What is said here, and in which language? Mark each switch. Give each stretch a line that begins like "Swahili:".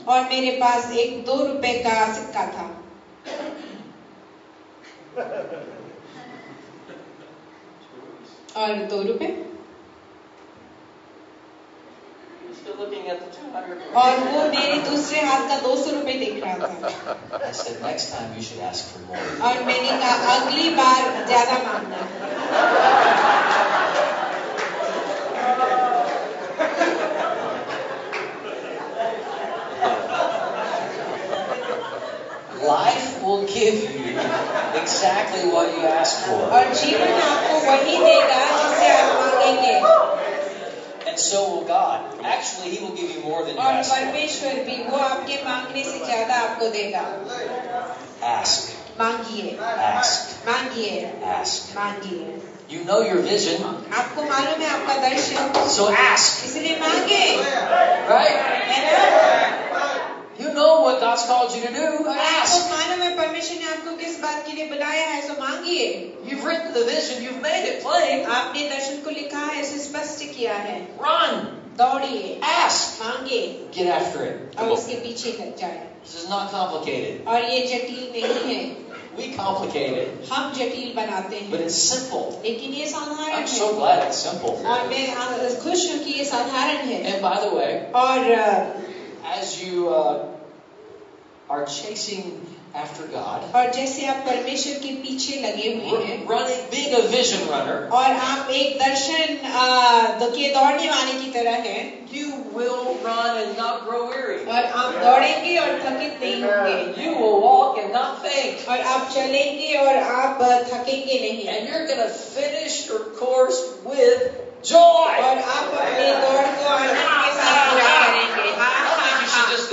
Hindi: और मेरे पास एक 2 रुपए का सिक्का था. और 2 रुपए. और वो मेरे दूसरे हाथ का 200 रुपए देख रहा था.
English: I said, next time you should ask for more.
Hindi: और मैंने कहा अगली बार ज्यादा मांगना.
English: Life will give you exactly what you ask for.
Hindi: और जीवन आपको वही देगा जिसे आप मांगेंगे.
English: And so will God. Actually, He will give you more than you ask for.
Hindi: और परमेश्वर भी वो आपके मांगने से ज़्यादा आपको देगा.
English: Ask.
Hindi: मांगिए.
English: Ask.
Hindi: मांगिए.
English: Ask.
Hindi: मांगिए.
English: You know your vision.
Hindi: आपको मालूम है आपका दर्शन.
English: So ask.
Hindi: इसलिए मांगे.
English: Right? You know what God's called you to do. Ask.
Hindi: आपको मालूम है परमेश्वर ने आपको किस बात के लिए बुलाया है, तो मांगिए.
English: You've written the vision. You've made it plain.
Hindi: आपने दर्शन को लिखा है, इसे स्पष्ट किया है.
English: Run.
Hindi: दौड़िए.
English: Ask.
Hindi: मांगिए.
English: Get after it.
Hindi: और उसके पीछे लग जाए.
English: This is not complicated.
Hindi: और ये जटिल नहीं है.
English: We complicate it.
Hindi: हम जटिल बनाते हैं.
English: But it's simple.
Hindi: लेकिन ये साधारण है.
English: I'm so glad it's simple.
Hindi: और मैं खुश हूँ कि ये साधारण है.
English: And by the way.
Hindi: और
English: As you are chasing after God,
Hindi: और जैसे आप परमेश्वर के पीछे लगे हुए हैं,
English: running, being a vision runner,
Hindi: और आप एक दर्शन के दौड़ने वाले की तरह हैं,
English: you will run and not grow weary,
Hindi: और आप दौड़ेंगे और थकित नहीं होंगे,
English: you will walk and not faint,
Hindi: और आप चलेंगे और आप थकेंगे नहीं,
English: and you're gonna finish your course with joy,
Hindi: और आप अपने दौड़ को आनंद के साथ पूरा करेंगे.